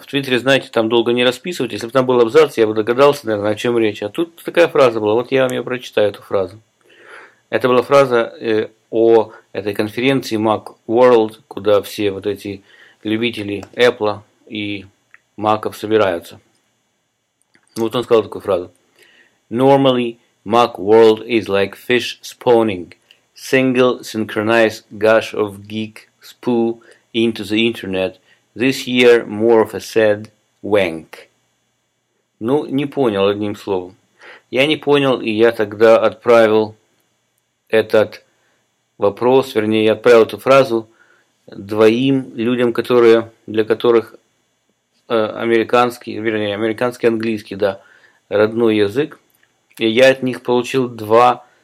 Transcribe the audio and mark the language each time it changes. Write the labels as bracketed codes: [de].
[ru] В Твиттере, знаете, там долго не расписывать. Если бы там был абзац, я бы догадался, наверное, о чем речь. А тут такая фраза была. Вот я вам ее прочитаю, эту фразу. Это была фраза о этой конференции Mac World, куда все вот эти любители Apple и Mac'ов собираются. Вот он сказал такую фразу. [en] Normally, Mac World is like fish spawning. Single synchronized gush of geek spoo into the internet. This year, more of a sad wank. [ru] Ну, не понял одним словом. Я не понял, и я тогда отправил этот вопрос, вернее, я отправил эту фразу двоим людям, которые, для которых американский английский, да, родной язык. И я от них получил два